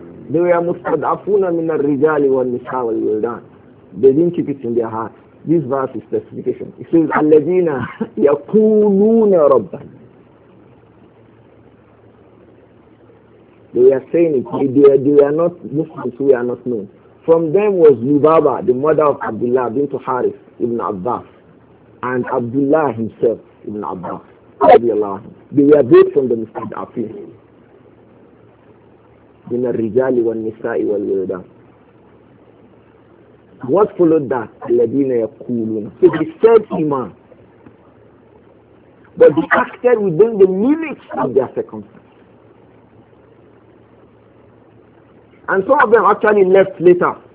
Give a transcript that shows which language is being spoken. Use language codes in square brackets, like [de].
[en] they were [ar] mustad'afuna min al-rijali wa al-nisaa wa al-wildan. [en] They didn't keep it in their heart. This verse is specification. It says, [ar] الَّذِينَ يَقُولُونَ رَبَّنَ. [en] They were saying it. They are not Muslims, we are not known. From them was Lubaba, the mother of Abdullah, bint Haris ibn Abbas. And Abdullah himself, ibn Abbas. They were both from the mustad'afin. In [ar] الرجال والنساء والولدان. [en] What followed that? [ar] الذين يقولون. [en] So they said iman, but they acted within the limits of their circumstances. And some of them actually left later.